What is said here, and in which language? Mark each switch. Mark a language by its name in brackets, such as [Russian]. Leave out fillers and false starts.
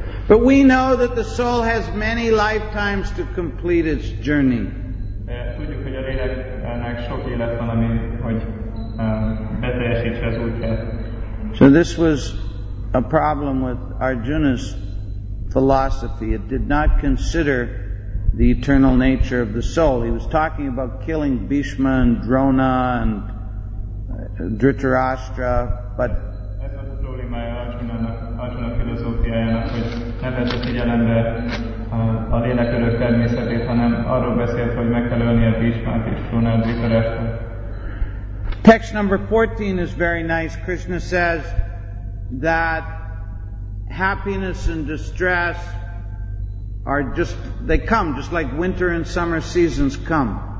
[English] But we know that the soul has many lifetimes to complete its journey. [Hungarian] Tudjuk, hogy a léleknek sok élet van, ami, hogy beteljesítse az útját. [English] So this was a problem with Arjuna's philosophy. It did not consider the eternal nature of the soul. He was talking about killing Bhishma and Drona and Dhritarashtra, but [Hungarian] ez az a problémája Arjuna filozófiájának, hogy nem vette figyelembe a lélek örök természetét, hanem arról beszélt, hogy meg kell ölni a Bhishmát és Drona and Dhritarashtra. [English] Text number 14 is very nice. Krishna says that happiness and distress are just, they come, just like winter and summer seasons come.